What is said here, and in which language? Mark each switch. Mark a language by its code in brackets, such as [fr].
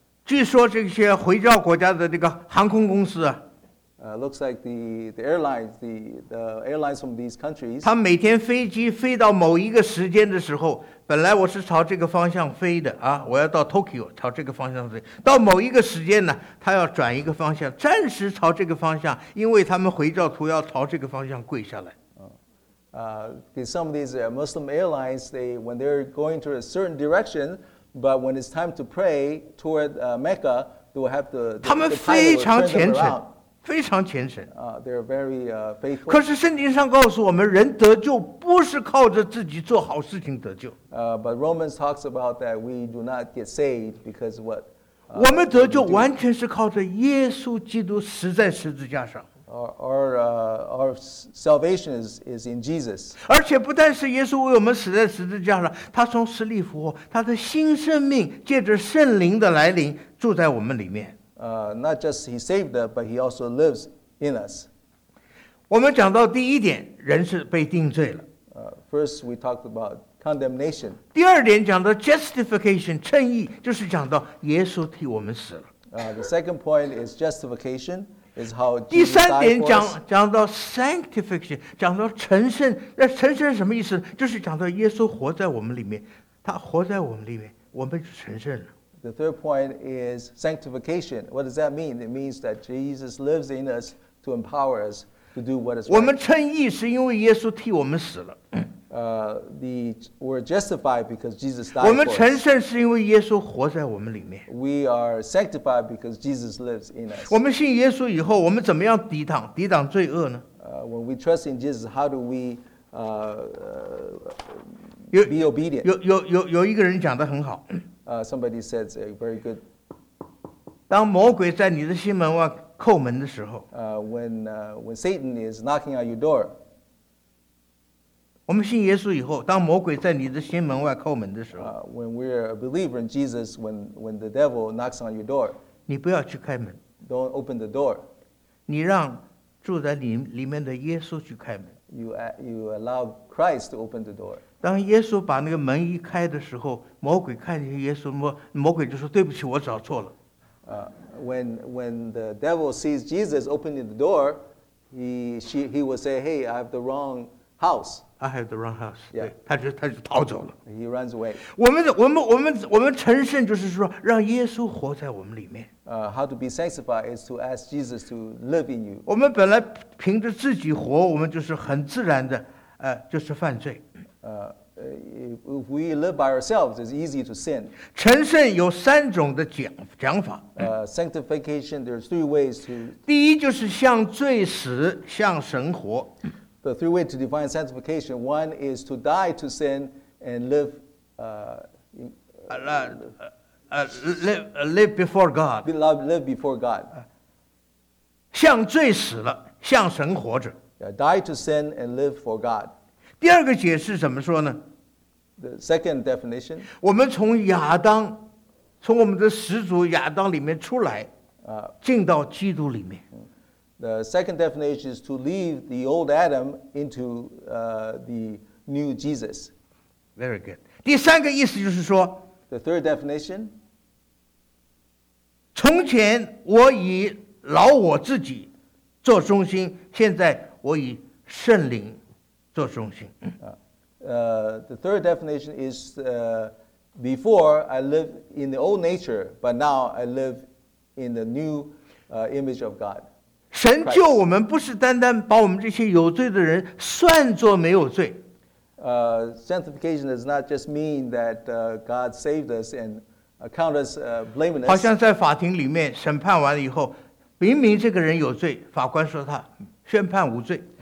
[zh] 据说这些回教国家的这个航空公司。 [en] Looks like the airlines from these countries. [zh] 他每天飞机飞到某一个时间的时候，本来我是朝这个方向飞的啊，我要到 Tokyo 朝这个方向飞。到某一个时间呢，他要转一个方向，暂时朝这个方向，因为他们回教徒要朝这个方向跪下来。 [en] Some of these Muslim airlines, when they're going to a certain direction, but when it's time to pray toward Mecca, they will have to. [zh] 他们非常虔诚。非常虔诚。 [en] They're very faithful. [zh] 可是圣经上告诉我们，人得救不是靠着自己做好事情得救。 [en] But Romans talks about that we do not get saved because what? [zh] 我们得救完全是靠着耶稣基督死在十字架上。 [en] Our salvation is in Jesus. [zh] 而且不但是耶稣为我们死在十字架上，他从死里复活，他的新生命借着圣灵的来临住在我们里面。 [en] Not just he saved us, but he also lives in us. [zh] 我们讲到第一点，人是被定罪了。 [en] First, we talked about condemnation. [zh] 第二点讲到 justification, 称义，就是讲到耶稣替我们死了。 [en] The second point is justification, is how Jesus died for us. [zh] 第三点讲到 sanctification, 讲到成圣。那成圣什么意思？就是讲到耶稣活在我们里面，他活在我们里面，我们就成圣了。 [en] The third point is sanctification. What does that mean? It means that Jesus lives in us to empower us to do what is right. [zh] 我们称义是因为耶稣替我们死了。 [en] We're justified because Jesus died for us. [zh] 我们成圣是因为耶稣活在我们里面。 [en] We are sanctified because Jesus lives in us. [zh] 我们信耶稣以后，我们怎么样抵挡罪恶呢？ [en] When we trust in Jesus, how do we be obedient? [zh] 有一个人讲得很好。 [en] Somebody says a very good. [zh] 当魔鬼在你的心门外叩门的时候 [en] when Satan is knocking at your door. [zh] 我们信耶稣以后，当魔鬼在你的心门外叩门的时候 [en] when we're a believer in Jesus, when the devil knocks on your door. [zh] 你不要去开门。 [en] Don't open the door. [zh] 你让住在里面的耶稣去开门。 [en] You allow Christ to open the door. [zh] 当耶稣把那个门一开的时候，魔鬼看见耶稣，魔鬼就说：“对不起，我找错了。 [en] ”When the devil sees Jesus opening the door, he will say, "Hey, I have the wrong house." I have the wrong house. Yeah. [zh] 他就逃走了。 [en] He runs away. [zh] 我们成圣就是说让耶稣活在我们里面。 [en] How to be sanctified is to ask Jesus to live in you. [zh] 我们本来凭着自己活，我们就是很自然的，就是犯罪。 [en] if we live by ourselves, it's easy to sin. [zh] 成圣有三种的讲法。 [en] Sanctification, there's three ways to. [zh] 第一就是向罪死，向神活。 [en] The three ways to define sanctification: one is to die to sin and live. Live before God. Live before God. [zh] 向罪死了，向神活着。 [en] Yeah, die to sin and live for God. [zh] 第二个解释怎么说呢 [en] ？The second definition. [zh] 我们从亚当，从我们的始祖亚当里面出来，进到基督里面。 [en] The second definition is to leave the old Adam into the new Jesus. Very good. [zh] 第三个意思就是说 [en] ，The third definition. [zh] 从前我以老我自己做中心，现在我以圣灵。做中心。 [en] The third definition is before I live in the old nature, but now I live in the new image of God. [zh] 神救我们不是单单把我们这些有罪的人算作没有罪。 [en] Sanctification does not just mean that God saved us and count us blameless. [zh] 好像在法庭里面审判完了以后，明明这个人有罪，法官说他宣判无罪。